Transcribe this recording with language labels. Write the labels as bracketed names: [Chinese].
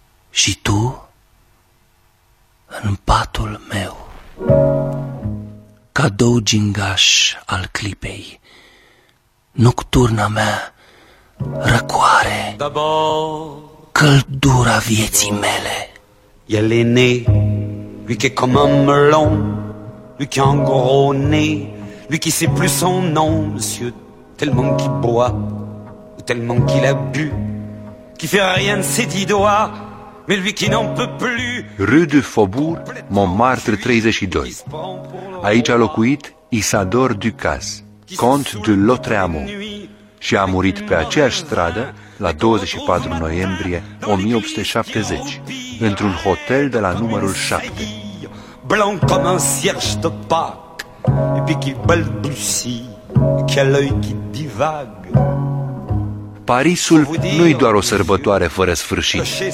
[Romanian] Și tu în patul meu, cadou gingaș al clipei, nocturna mea răcoare, căldura vieții mele. El e [French] Lui qui est comme un melon, lui qui a un gros nez, lui qui sait plus son nom, monsieur, tellement qu'il boit, ou tellement qu'il a bu, qui fait rien de ses dix doigts, mais lui qui n'en peut plus. Rue du Faubourg, Montmartre 32. [Romanian] Aici a locuit Isidore Ducasse, comte de Lautréamont, și a murit pe aceeași stradă la 24 noiembrie 1870 într-un hotel de la numărul 7. [French] Blanc comme un cierge de Pâques et puis qui balbutie, qui a l'œil qui divague. [Romanian] Parisul nu-i doar o sărbătoare fără sfârșit.